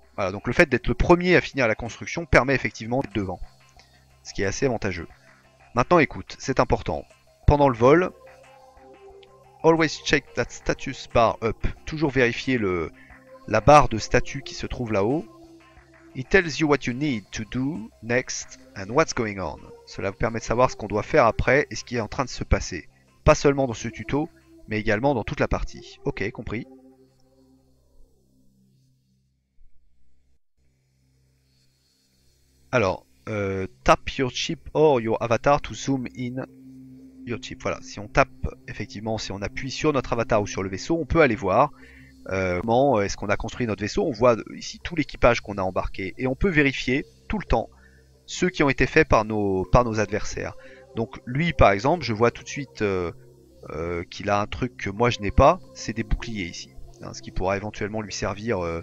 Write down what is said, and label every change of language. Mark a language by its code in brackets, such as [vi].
[fr] Voilà, donc le fait d'être le premier à finir la construction permet effectivement d'être devant, ce qui est assez avantageux. Maintenant, écoute, c'est important. Pendant le vol, [en] always check that status bar up. [fr] Toujours vérifier la barre de statut qui se trouve là-haut. [en] It tells you what you need to do next and what's going on. [fr] Cela vous permet de savoir ce qu'on doit faire après et ce qui est en train de se passer. Pas seulement dans ce tuto, mais également dans toute la partie. Ok, compris. [en] Alors, tap your ship or your avatar to zoom in your ship. [fr] Voilà, si on tape, effectivement, si on appuie sur notre avatar ou sur le vaisseau, on peut aller voir comment est-ce qu'on a construit notre vaisseau. On voit ici tout l'équipage qu'on a embarqué et on peut vérifier tout le temps ceux qui ont été faits par nos adversaires. Donc lui, par exemple, je vois tout de suite qu'il a un truc que moi je n'ai pas, c'est des boucliers ici, hein, ce qui pourra éventuellement lui servir.